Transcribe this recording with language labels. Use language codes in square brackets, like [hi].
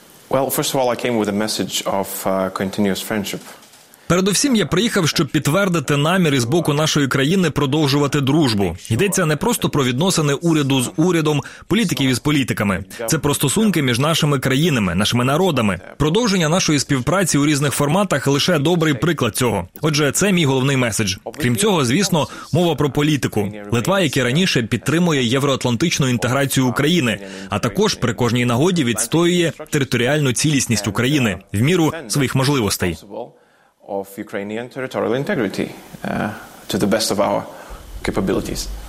[en] Well, first of all, I came with a message of continuous friendship. [uk] Передусім, я приїхав, щоб підтвердити наміри з боку нашої країни продовжувати дружбу. Йдеться не просто про відносини уряду з урядом, політиків із політиками. Це про стосунки між нашими країнами, нашими народами. Продовження нашої співпраці у різних форматах – лише добрий приклад цього. Отже, це мій головний меседж. Крім цього, звісно, мова про політику. Литва, як і раніше, підтримує євроатлантичну інтеграцію України, а також при кожній нагоді відстоює територіальну цілісність України в міру своїх можливостей. [en] Of Ukrainian territorial integrity to the best of our capabilities.